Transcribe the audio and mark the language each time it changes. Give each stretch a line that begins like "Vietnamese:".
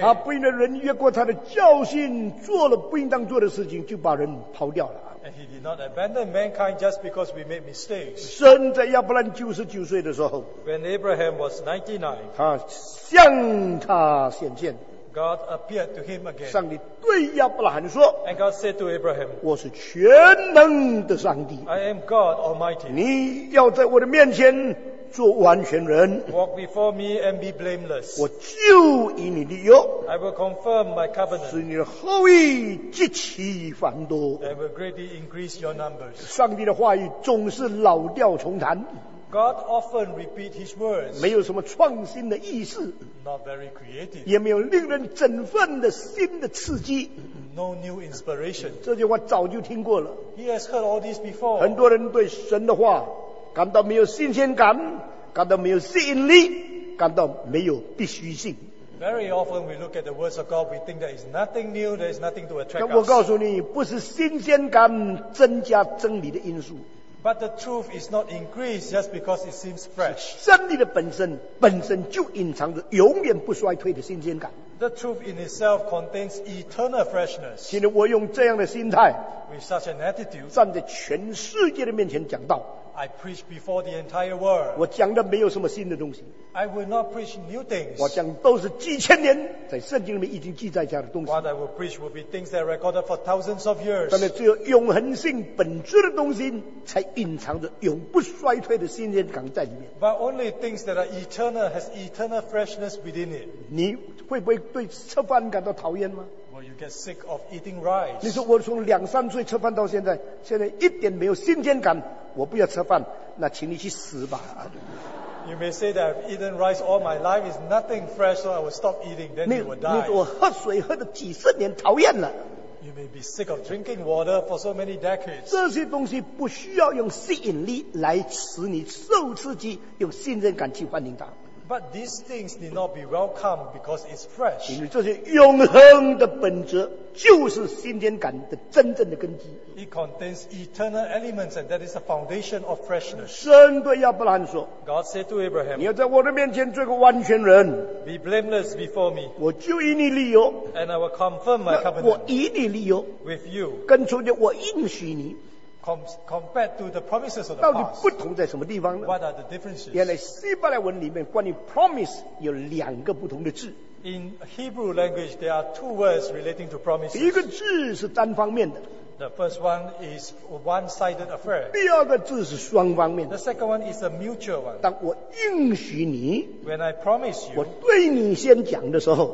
Chinese: 他不因着人越过他的教训，做了不应当做的事情，就把人抛掉了。
English: And he did not abandon mankind just because we made mistakes.
Chinese: 神在亚伯拉罕99岁的时候，
English: When Abraham was 99,
Chinese: 他向他显现。
English: God appeared to him again.
Chinese: 上帝对亚伯拉罕说，
English: And God said to Abraham,
Chinese: 我是全能的上帝。
English: I am God Almighty.
Chinese: 你要在我的面前做完全人。
English: Walk before me and be blameless.
Chinese: 我就以你立约。
English: I will confirm my covenant.
Chinese: 使你的后裔极其繁多。
English: I will greatly increase your numbers.
Chinese: 上帝的话语总是老调重弹。
English: God often repeat His words.
Chinese: 没有什么创新的意思。
English: Not very creative.
Chinese: 也没有令人振奋的新的刺激。
English: No new inspiration.
Chinese: 这句话早就听过了。
English: He has heard all this before.
Chinese: 很多人对神的话感到没有新鲜感，感到没有吸引力，感到没有必须性。
English: Very often we look at the words of God, we think there is nothing new, there is nothing to attract us.
Chinese: 但我告诉你，不是新鲜感增加真理的因素。
English: But the truth is not increased just because it seems fresh.
Chinese: 真理的本身就隐藏着永远不衰退的新鲜感。
English: The truth in itself contains eternal freshness.
Chinese: 今天我用这样的心态，
English: With such an attitude,
Chinese: 站在全世界的面前讲道。
English: I preach before the entire world.
Chinese: 我讲的没有什么新的东西。
English: I will not preach new things.
Chinese: 我讲都是几千年在圣经里面已经记载下的东西。
English: What I will preach will be things that are recorded for thousands of years.
Chinese: 但是只有永恒性本质的东西才隐藏着永不衰退的新鲜感在里面。
English: But only things that are eternal has eternal freshness within it.
Chinese: 你会不会对吃饭感到讨厌吗？
English: Well, you get sick of eating rice.
Chinese: 你说我从两三岁吃饭到现在一点没有新鲜感，我不要吃饭，那请你去死吧。
English: You may say that I've eaten rice all my life, it's nothing fresh, so I will stop eating, then you will die.
Chinese: 你说我喝水喝了几十年，讨厌了。
English: You may be sick of drinking water for so many decades.
Chinese: 这些东西不需要用吸引力来使你受刺激，用新鲜感去欢迎它。
English: But these things need not be welcome because it's fresh.
Chinese: 因为这些永恒的本质就是新鲜感的真正的根基。
English: It contains eternal elements and that is the foundation of freshness.
Chinese: 神对亚伯拉罕说，
English: God said to Abraham,
Chinese: 你要在我的面前做个完全人。
English: Be blameless before me.
Chinese: 我就以你立约。
English: And I will confirm my covenant.
Chinese: 我以你立约。
English: With you.
Chinese: 跟从你，我应许你。
English: Compared to the promises of the past,
Chinese: 到底不同在什么地方呢？
English: What are the differences?
Chinese: 原来希伯来文里面关于 promise 有两个不同的字。
English: In Hebrew language, there are two words relating to promises.
Chinese: 一个字是单方面的。
English: The first one is one-sided affair.
Chinese: 第二个字是双方面的。
English: The second one is a mutual one.
Chinese: 当我应许你，
English: When I promise you,
Chinese: 我对你先讲的时候，